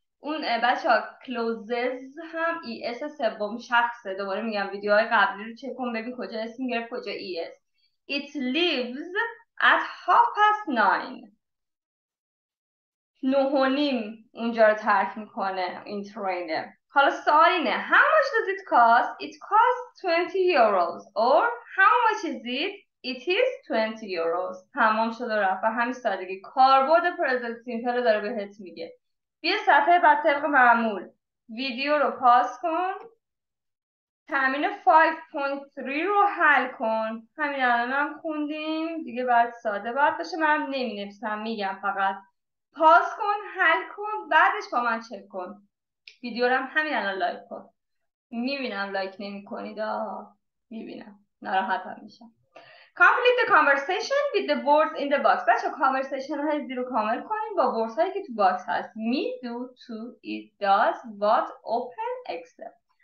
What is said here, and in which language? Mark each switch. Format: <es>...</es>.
<fa>اون بچه ها closes هم ES سوم شخصه. دوباره میگم ویدیو های قبلی رو چک کن ببین کجا اسم گرفت کجا ES.</fa> <en>It leaves at 9:30.</en> <fa>نه و نیم اونجا رو ترک میکنه این ترینه. حالا سوال اینه</fa> <en>How much does it cost? It costs 20 euros or How much is it? It is 20 euros.</en> <fa>تمام شد و رفت و همین سادگی کاربرد پرزنت سیمپل رو داره بهت میگه. بیا صفحه بعد طبق معمول ویدیو رو پاس کن، تمرین 5.3 رو حل کن. همین الان هم خوندیم دیگه، بعد ساده بعد باشه، من نمی نویسم، میگم فقط پاس کن، حل کن، بعدش با من چک کن. ویدیو رو هم همین الان لایک کن. میبینم لایک نمی کنید، میبینم ناراحت هم میشم.</fa> <en>Complete the conversation with the words in the box.</en> <fa>بچه conversation های زیرو کامل کنیم با words هایی که تو box هست.</fa> <en>Me, do, to, it, does, what, open, except.</en>